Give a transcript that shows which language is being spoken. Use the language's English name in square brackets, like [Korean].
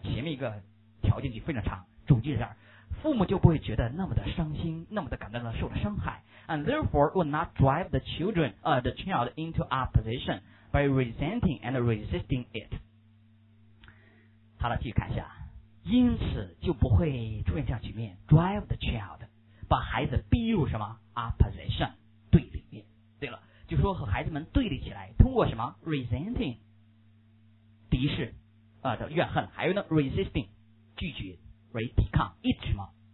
[Chinese] 前面一个条件就非常长，主句是这儿，父母就不会觉得那么的伤心，那么的感到的受了伤害。 [English] And therefore would not drive the children, the child into opposition by resenting and resisting it. [Chinese] 好了，继续看一下。因此就不会出现这样局面 ， [English] drive the child， [Chinese] 把孩子逼入什么 opposition 对立面。对了，就说和孩子们对立起来，通过什么 resenting 敌视啊的怨恨，还有呢 resisting 拒绝 抵抗 it 什么？